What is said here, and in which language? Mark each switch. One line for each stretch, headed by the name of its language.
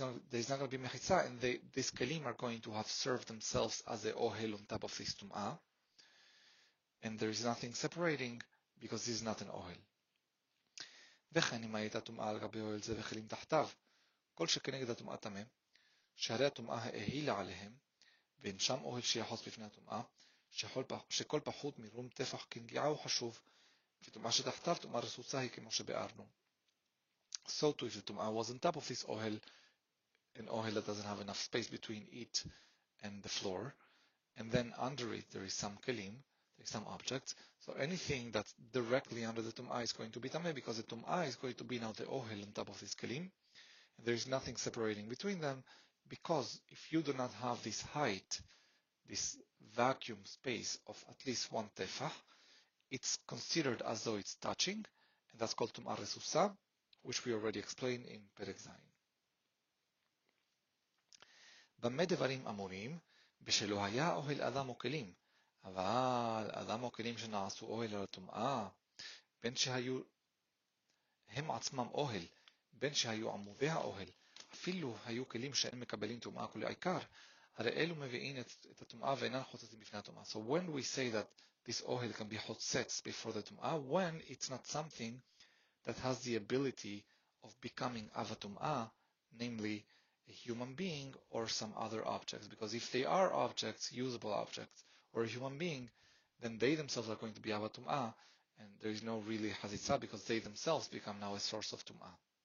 English: There's not going to be mechitza, and these kelim are going to have served themselves as the ohel on top of this tum'a. And there is nothing separating, because this is not an ohel.
Hebrew: וכן אם הייתה טומאה על גבי אוהל זה וכלים תחתיו, כל שכנגד הטומאה טמא, שהרי הטומאה העילה עליהם, ואין שם אוהל שיחוס בפני הטומאה, שכל פחות מרום טפח כנגיעה הוא חשוב, וטומאה שתחתיו טומאה רסוצה היא כמו שבארנו.
English: So too, if the טומאה was on top of this אוהל, an אוהל that doesn't have enough space between it and the floor, and then under it there is some kelim, some objects. So anything that's directly under the tum'ah is going to be tameh, because the tum'ah is going to be now the ohel on top of this kelim. And there is nothing separating between them, because if you do not have this height, this vacuum space of at least one tefah, it's considered as though it's touching, and that's called tum'ah resusa, which we already explained in Perek Zayin.
Hebrew: B'me devarim amurim, b'shelo haya ohel adam o kelim. אבל אדם או כלים שנעשו אוהל על הטומאה, בין שהיו הם עצמם אוהל, בין שהיו עמודי האוהל, אפילו היו כלים שאין מקבלים טומאה כולי עיקר, הרי אלו מביאים את הטומאה ואינן חוצצים בפני הטומאה.
English: So when we say that this oil can be חוצץ before the טומאה, when it's not something that has the ability of becoming אב הטומאה, namely a human being or some other objects, because if they are objects, usable objects, or a human being, then they themselves are going to be Ava Tum'ah, and there is no really Hazitza, because they themselves become now a source of Tum'ah.